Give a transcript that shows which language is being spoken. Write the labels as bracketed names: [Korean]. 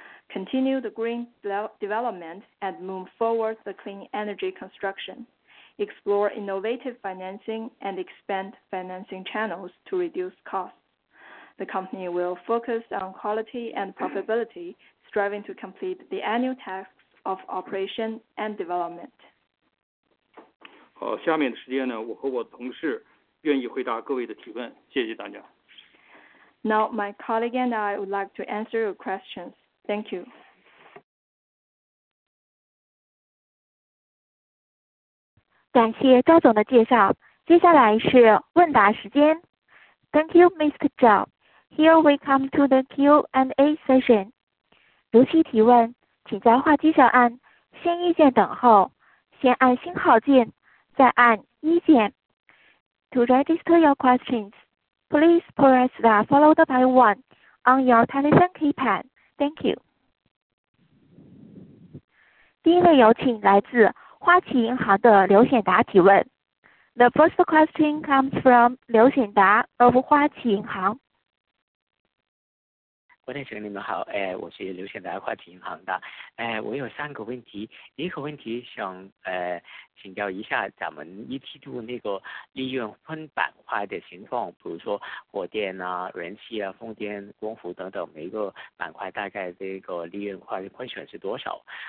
[English] Continue the green development and move forward the clean energy construction. Explore innovative financing and expand financing channels to reduce costs. The company will focus on quality and profitability, striving to complete the annual tasks of operation and development. [Chinese] 好，下面的时间呢，我和我同事愿意回答各位的提问，谢谢大家。 [English] Now, my colleague and I would like to answer your questions. Thank you. [Chinese] 感谢赵总的介绍，接下来是问答时间。 [English] Thank you, Mr. Zhao. Here we come to the Q&A session. [Chinese] 如期提问，请在话机上按先一键等候，先按星号键，再按一键。 [English] To register your questions, please press the followed by one on your telephone keypad. Thank you. [Chinese] 第一位有请来自花旗银行的刘显达提问。 [English] The first question comes from 刘显达 of 花旗银行。 [Chinese] 郭先生，你们好，哎，我是刘显达，花旗银行的，哎，我有三个问题，第一个问题想请教一下咱们一季度那个利润分板块的情况，比如说火电啊、燃气啊、风电、光伏等等，每一个板块大概这个利润块亏损是多少？